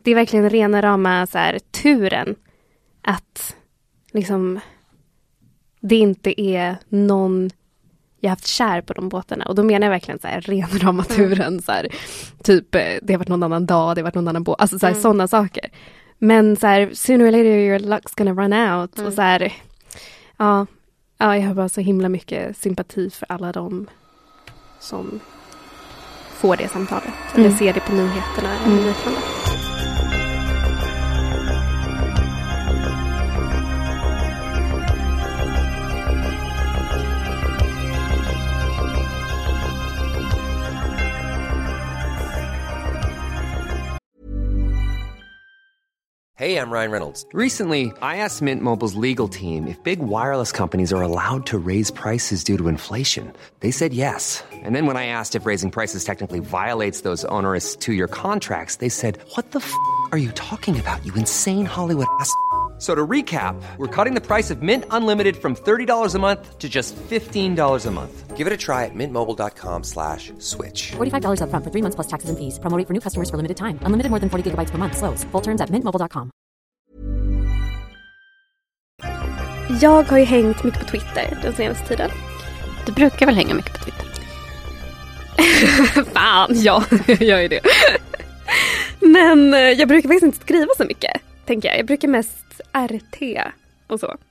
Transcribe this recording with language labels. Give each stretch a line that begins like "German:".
Swedish: Det är verkligen rena rama så här, turen att liksom det inte är någon jag haft kär på de båtarna. Och då menar jag verkligen så här, ren ramaturen. Mm. Så här, typ, det har varit någon annan dag, det har varit någon annan båt. Alltså så här, sådana saker. Men så här,
English: sooner or later your luck's gonna run out.
Swedish: Mm. Och så här, ja, jag har bara så himla mycket sympati för alla de som får det samtalet. Mm. Eller ser det på nyheterna. Mm.
English: Hey, I'm Ryan Reynolds. Recently, I asked Mint Mobile's legal team if big wireless companies are allowed to raise prices due to inflation. They said yes. And then when I asked if raising prices technically violates those onerous two-year contracts, they said, what the f*** are you talking about, you insane Hollywood ass f-. So to recap, we're cutting the price of Mint Unlimited from $30 a month to just $15 a month. Give it a try at mintmobile.com/switch. $45 up front for 3 months plus taxes and fees. Promo rate for new customers for limited time. Unlimited more than 40 gigabytes per month. Slows full terms at mintmobile.com.
Swedish: Jag har ju hängt mycket på Twitter den senaste tiden. Du brukar väl hänga mycket på Twitter? Fan, ja, jag gör ju det. Men jag brukar faktiskt inte skriva så mycket, tänker jag. Jag brukar mest RT och så.